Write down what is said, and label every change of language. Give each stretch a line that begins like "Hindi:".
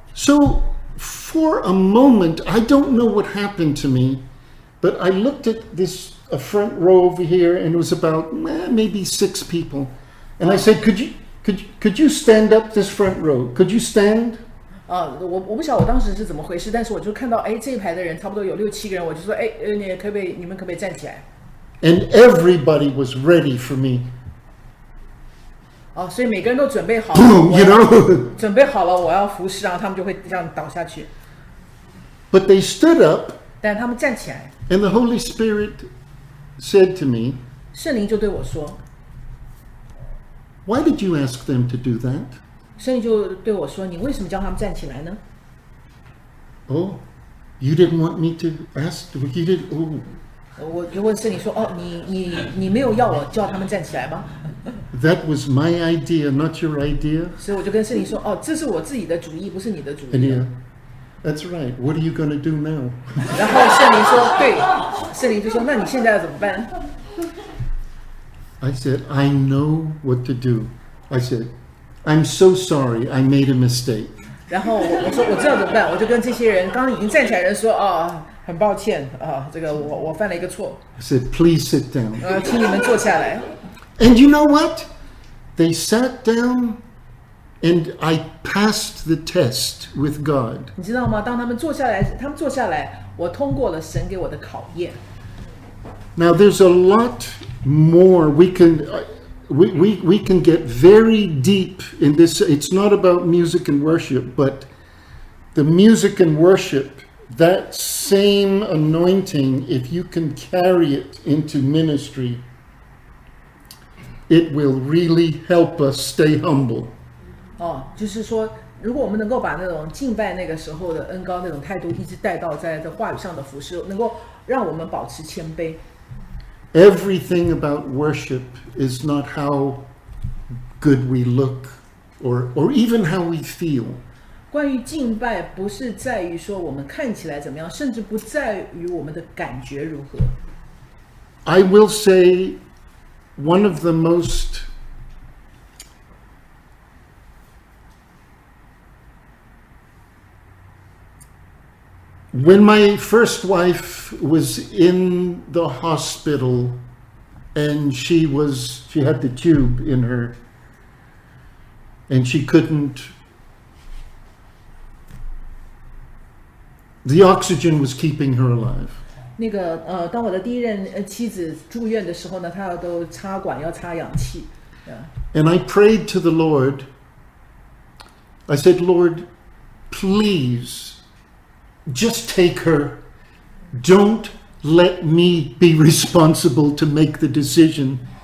English: So, for a moment, I don't know what happened to me, but I looked at this a front row over here, and it was about maybe six people, and I said, Could you stand up this front row? Could you stand?
Chinese: 我不晓得我当时是怎么回事，但是我就看到，这一排的人差不多有六七个人，我就说，你们可不可以站起来？
English: And everybody was ready for me.
Chinese: 所以每个人都准备好了，
English: Boom, you know?
Chinese: 准备好了我要服侍，然后他们就会这样倒下去。
English: But they stood up.
Chinese: 但他们站起来。
English: And the Holy Spirit said to me.
Chinese: 圣灵就对我说。
English: Why did you ask them to do that?
Chinese: 圣就对我说，你为什么叫他们站起来呢？
English: Oh, you didn't want me to ask. You did. Oh.
Chinese: 我就问圣说，你没有要我叫他们站起来吗？
English: That was my idea, not your idea.
Chinese: 所以我就跟圣说，这是我自己的主意，不是你的主意。
English: And yeah, that's right. What are you going to do now?
Chinese: 然后圣说，对，圣就说，那你现在要怎么办？
English: I said, I know what to do. I said, I'm so sorry, I made a mistake.
Chinese: 然后我说我知道怎么办，我就跟这些人刚刚已经站起来的人说，很抱歉，这个我犯了一个错。
English: I said, please sit down.
Chinese: 请你们坐下来。
English: And you know what? They sat down, and I passed the test with God.
Chinese: 你知道吗？当他们坐下来，我通过了神给我的考验。
English: Now there's a lot more we can get very deep in this. It's not about music and worship, but the music and worship, that same anointing, if you can carry it into ministry, it will really help us stay humble.
Chinese: 就是说，如果我们能够把那种敬拜那个时候的恩膏那种态度一直带到在这话语上的服事，能够让我们保持谦卑。
English: Everything about worship is not how good we look or even how we feel.
Chinese: 关于敬拜不是在于说我们看起来怎么样，甚至不在于我们的感觉如何。
English: I will say one of the most when my first wife was in the hospital and she had the tube in her and she couldn't, the oxygen was keeping her alive.
Chinese: 那个当我的第一任妻子住院的时候呢，她要都插管要插氧气。
English: And I prayed to the Lord. I said, Lord, please, just take her. Don't let me be responsible to make the decision.